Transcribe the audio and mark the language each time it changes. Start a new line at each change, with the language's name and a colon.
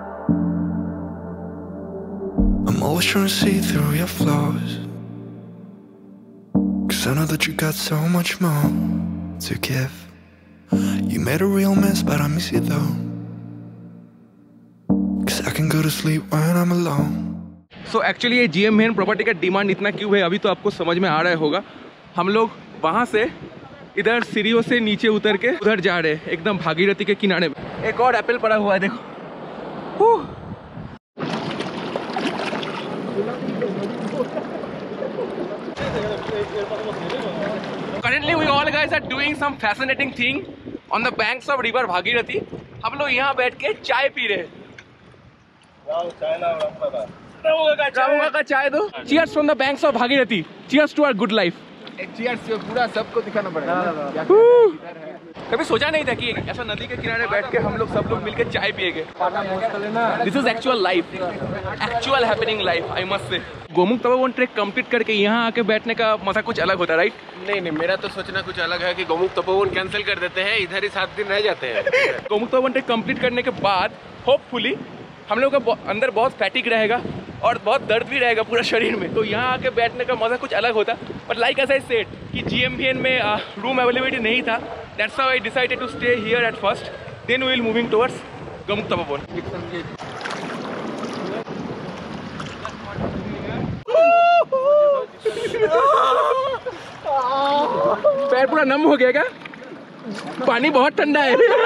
English: I'm always trying to see through your flaws. I know that you got so much more to give. You made a real mess, but I miss you though. Cause I can go to sleep when I'm alone. So actually
Hindi: ये GMBN property का demand इतना क्यों है अभी तो आपको समझ में आ रहा होगा. हम लोग वहाँ से इधर सीढ़ियों से नीचे उतर के उधर जा रहे हैं एकदम भागीरथी के किनारे में. एक और apple पड़ा हुआ है देखो.
English: Currently we all guys are doing some fascinating thing on the banks of river Bhagirathi.
Hindi: हम लोग यहाँ बैठ के चाय पी रहे हैं.
English: Cheers from the banks of Bhagirathi. Cheers to our good life. Cheers to
Hindi: पूरा सबको दिखाना पड़ेगा. कभी सोचा नहीं था कि ऐसा नदी के किनारे बैठ के हम लोग सब लोग मिलके चाय पिएंगे.
English: This is actual life, actual happening life I must say.
Hindi: Gomukh Tapovan track complete करके यहाँ आके बैठने का मजा कुछ अलग होता है,
English: Right?
Hindi: नहीं नहीं, मेरा तो सोचना कुछ अलग है कि गोमुख तपोवन कैंसिल कर देते हैं, इधर ही 7 दिन रह जाते हैं. गोमुख तपोवन ट्रेक कम्प्लीट करने के बाद होपफुली हम लोग का अंदर बहुत फैटिक रहेगा और बहुत दर्द भी रहेगा पूरा शरीर में, तो यहाँ आके बैठने का मजा कुछ अलग होता.
English: but like as I said
Hindi: कि GMBN में रूम अवेलेबिलिटी नहीं था.
English: That's how I decided to stay here at first. Then we will moving towards Gomuk Tapovan.
Hindi: पैर पूरा नम हो गया क्या? पानी बहुत ठंडा है.